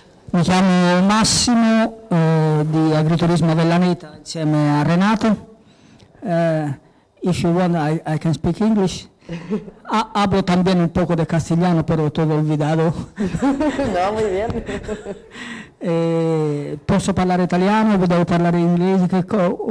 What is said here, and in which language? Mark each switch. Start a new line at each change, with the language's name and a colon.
Italian: Mi chiamo Massimo di Agriturismo Vellaneta insieme a Renato.
English: If you want, I can speak English.
Spanish: Hablo también un poco de castellano, pero todo olvidado. No, muy bien.
Italian: Posso parlare italiano, devo parlare inglese, che cosa?